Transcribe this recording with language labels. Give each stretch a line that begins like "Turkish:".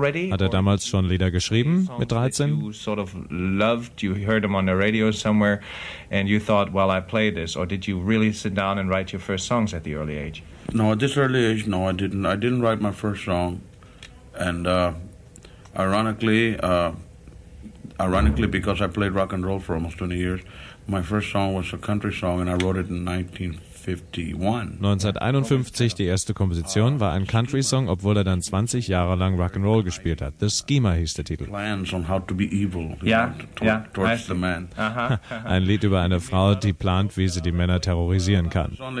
German: Hat er damals schon Lieder geschrieben mit 13?
English: You sort of loved, you heard them on the radio somewhere and you thought, well, I play this, or did you really sit down and write your first songs at the early age? No, at this early age, no, I didn't. I didn't write my first song, and ironically, because I played rock and roll for almost 20 years, my first song was a country song, and I wrote it in 1951.
German: Die erste Komposition war ein Country Song, obwohl er dann 20 Jahre lang Rock and Roll gespielt hat. The Schema hieß der Titel.
English: Plans on how to be evil, towards the man.
German: Ein Lied über eine Frau, die plant, wie sie die Männer terrorisieren kann.